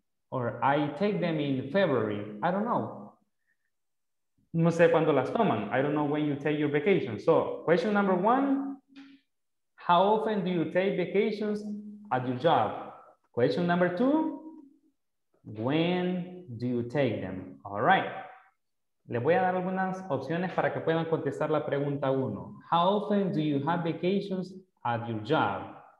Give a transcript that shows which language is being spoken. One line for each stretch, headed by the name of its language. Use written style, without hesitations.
English: Or I take them in February. I don't know.
Spanish: No sé cuándo las toman.
English: I don't know when you take your vacation. So, question number one, how often do you take vacations at your job. Question number two, when do you take them? All right.
Spanish: Les voy a dar algunas opciones para que puedan contestar la pregunta uno.
English: How often do you have vacations at your job?